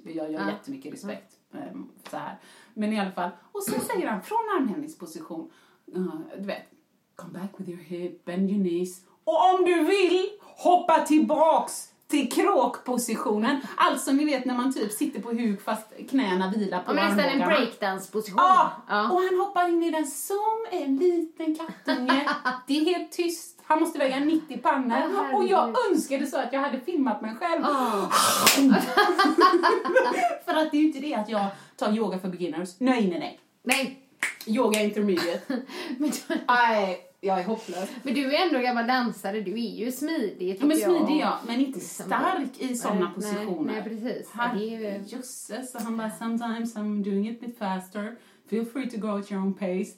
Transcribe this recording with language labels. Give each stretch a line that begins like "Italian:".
Swedish: Jag gör jättemycket respekt. Så här. Men i alla fall. Och sen säger han från armhävningsposition. Du vet.
English: Come back with your hip, bend your knees.
Swedish: Och om du vill, hoppa tillbaks. Till kråkpositionen. Alltså ni vet när man typ sitter på huk fast knäna vilar på armbågarna. Och nästan en breakdance-position. Ja. Ja, och han hoppar in i den som en liten kattunge. Det är helt tyst. Han måste väga 90 pannor. Oh, och jag önskade så att jag hade filmat mig själv. Oh. För att det är ju inte det att jag tar yoga för beginners. Nej. Yoga intermediate. Nej. Jag är hopplös. Men du är ändå gammal dansare, du är ju smidig. Ja, men smidig, ja. Men inte stark i sådana positioner. Nej, precis. Jösses, han bara,
English: sometimes I'm doing it a bit faster. Feel free to go at your own pace.